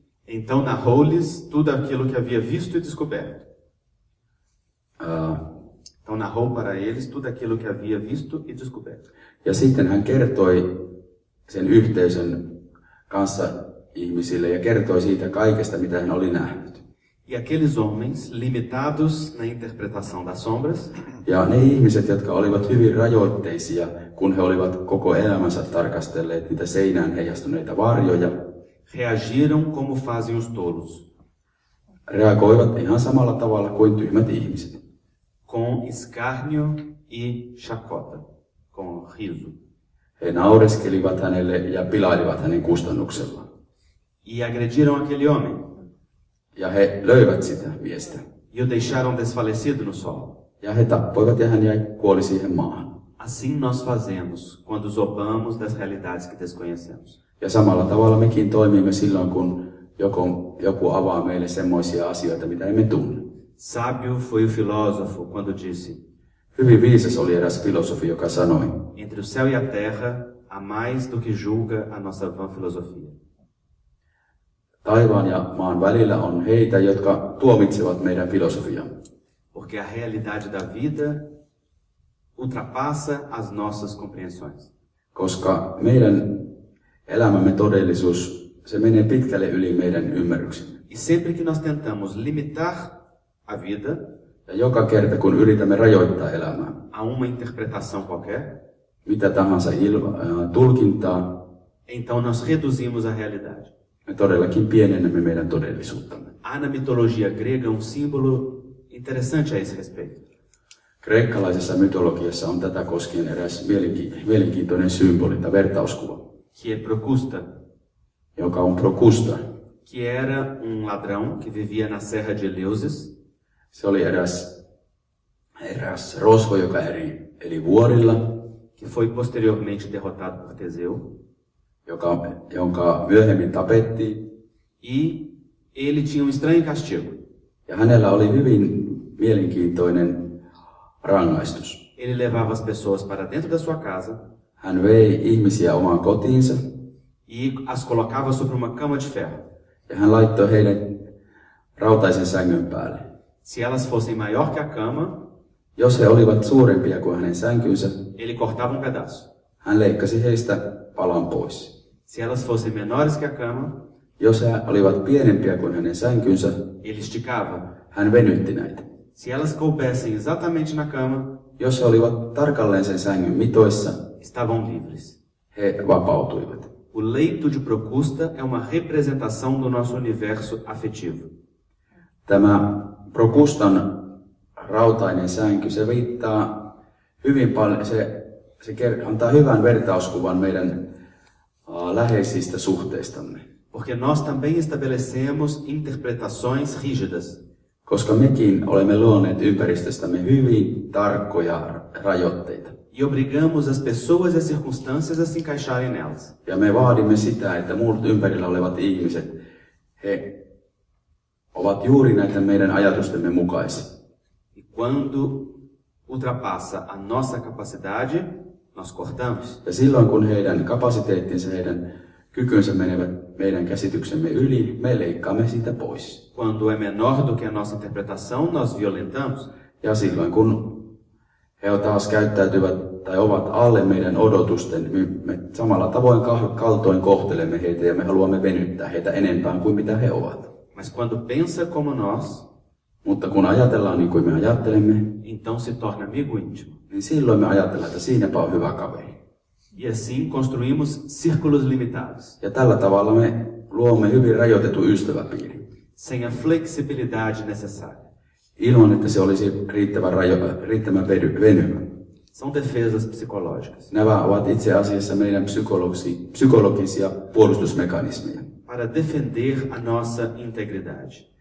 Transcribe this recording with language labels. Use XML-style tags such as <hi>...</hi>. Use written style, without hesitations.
<pt>Então narrou-lhes tudo aquilo que havia visto e descoberto. Então narrou para eles tudo aquilo que havia visto e descoberto.</pt> <fi>Ja sitten hän kertoi sen yhteisön kanssa ihmisille ja kertoi siitä kaikesta, mitä hän oli nähnyt.</fi> <pt>E aqueles homens limitados na interpretação das sombras?</pt> <fi>Ja ne ihmiset, jotka olivat hyvin rajoitteisia, kun he olivat koko elämänsä tarkastelleet niitä seinään heijastuneita varjoja,</fi> <pt>reagiram como fazem os tolos.</pt> <fi>Reagoivat ihan samalla tavalla kuin tyhmät ihmiset.</fi> <pt>Com escárnio e chacota, com riso.</pt> <fi>He naureskelivat hänelle ja pilailivat hänen kustannuksella.</fi> <pt>E agrediram aquele homem.</pt> <fi>Ja he löivät sitä miestä.</fi> <pt>E o deixaram desfalecido no sol.</pt> <fi>Ja he tappoivat ja hän jäi kuoli siihen maahan.</fi> <pt>Assim nós fazemos quando zombamos das realidades que desconhecemos.</pt> <fi>Ja samalla tavalla mekin toimimme silloin, kun joku avaa meille semmoisia asioita, mitä emme tunne.</fi> <pt>Sábio foi o filósofo quando disse.</pt> <fi>Hyvin viisas oli eräs filosofi, joka sanoi.</fi> <pt>Entre o céu e a terra há mais do que julga a nossa vã filosofia.</pt> <fi>Taivaan ja maan välillä on heitä, jotka tuomitsevat meidän filosofiamme.</fi> <pt>Porque a realidade da vida ultrapassa as nossas compreensões.</pt> <fi>Koska meidän elämämme todellisuus, se menee pitkälle yli meidän ymmärryksemme.</fi> <pt>E sempre que nós tentamos limitar a vida,</pt> <fi>ja joka kerta kun yritämme rajoittaa elämää,</fi> <pt>a uma interpretação qualquer,</pt> <fi>mitä tahansa tulkintaa,</fi> <pt>então nós reduzimos a realidade.</pt> <fi>Me todellakin pienennämme meidän todellisuuttamme.</fi> <pt>Há na mitologia grega um símbolo interessante a esse respeito.</pt> <fi>Kreikkalaisessa mytologiassa on tätä koskien eräs mielenkiintoinen symboli tai vertauskuva.</fi> <pt>Que é Procusta.</pt> <fi>Joka on Procusta.</fi> <pt>Que era ladrão que vivia na Serra de Eleusis.</pt> <fi>Se oli eräs rosvo, joka eli vuorilla.</fi> <pt>Que foi posteriormente derrotado por Teseu.</pt> <fi>Jonka myöhemmin tapettiin.</fi> <pt>E ele tinha estranho castigo.</pt> <fi>Ja hänellä oli hyvin mielenkiintoinen rangaistus.</fi> <pt>Ele levava as pessoas para dentro da sua casa.</pt> <fi>Hän vei ihmisiä omaan kotiinsa.</fi> <pt>E as colocava sobre uma cama de ferro.</pt> <fi>Ja hän laittoi heidät rautaisen sängyn päälle.</fi> <pt>Se elas fossem maior que a cama,</pt> <fi>jos he olivat suurempia kuin hänen sänkynsä,</fi> <pt>ele cortava um pedaço.</pt> <fi>Hän leikkasi heistä palan pois.</fi> <pt>Se elas fossem menores que a cama,</pt> <fi>jos he olivat pienempiä kuin hänen sänkynsä,</fi> <pt>ele esticava.</pt> <fi>Hän venytti näitä.</fi> <pt>Se elas coubessem exatamente na cama,</pt> <fi>jos he olivat tarkalleen sen sängyn mitoissa,</fi> <pt>estavam livres.</pt> <fi>He vapautuivat.</fi> <pt>O leito de Procusta é uma representação do nosso universo afetivo.</pt> <fi>Tämä Procustan rautainen sänky, se viittaa hyvin paljon, se antaa hyvän vertauskuvan meidän läheisistä suhteistamme.</fi> <pt>Porque nós também estabelecemos interpretações rígidas.</pt> <fi>Koska mekin olemme luoneet ympäristöstämme hyvin tarkkoja rajoitteita.</fi> <pt>E obrigamos as pessoas e as circunstâncias a se encaixarem nelas.</pt> <fi>Ja me vaadimme sitä, että muut ympärillä olevat ihmiset, he ovat juuri näitä meidän ajatustemme mukaisia.</fi> <pt>E quando ultrapassa a nossa capacidade, nós cortamos.</pt> <fi>Ja silloin kun heidän kapasiteettinsa, heidän kykynsä menevät meidän käsityksemme yli, me leikkaamme sitä pois.</fi> <pt>Quando é menor do que a nossa interpretação, nós violentamos.</pt> <fi>Ja silloin kun he taas käyttäytyvät tai ovat alle meidän odotusten, me samalla tavoin kaltoin kohtelemme heitä ja me haluamme venyttää heitä enempään kuin mitä he ovat.</fi> <pt>Mas quando pensa como nós,</pt> <fi>mutta kun ajatellaan niin kuin me ajattelemme,</fi> <pt>então se torna amigo íntimo.</pt> <fi>Niin silloin me ajatellaan, että siinäpä on hyvä kaveri.</fi> <pt>E assim construímos círculos limitados.</pt> <fi>Ja tällä tavalla me luomme hyvin rajoitetun ystäväpiirin.</fi> <pt>Sem a flexibilidade necessária.</pt> <fi>Ilman, että se olisi riittävän venyvä.</fi> <pt>São defesas psicológicas.</pt> <fi>Nämä ovat itse asiassa meidän psykologisia puolustusmekanismeja.</fi> <pt>Para defender a nossa integridade.</pt>